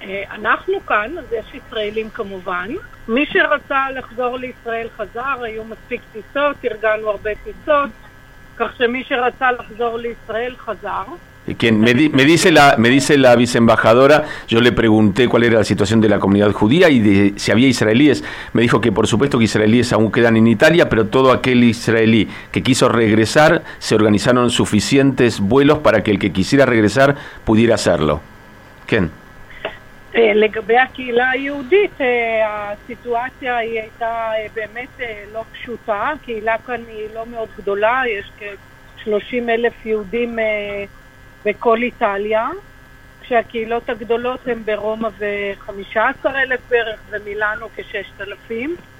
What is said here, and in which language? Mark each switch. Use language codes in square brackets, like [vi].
[he] אנחנו כאן, אז יש ישראלים כמובן. מי שרצה לחזור לישראל חזר, היו מספיק טיסות, ארגנו הרבה טיסות, כך שמי שרצה לחזור לישראל חזר. [es] Quien me dice la viceembajadora, yo le pregunté cuál era la situación de la comunidad judía y de si había israelíes. Me dijo que por supuesto que israelíes aún quedan en Italia, pero todo aquel israelí que quiso regresar, se organizaron suficientes vuelos para que el que quisiera regresar pudiera hacerlo. ¿Quién? [he] לגבי הקהילה היהודית, הסיטואציה היא הייתה באמת לא פשוטה, הקהילה כאן היא לא מאוד גדולה, יש כ-30 אלף יהודים בכל איטליה, כשהקהילות הגדולות הן ברומא ו-15 אלף בערך, ומילאנו כ-6,000.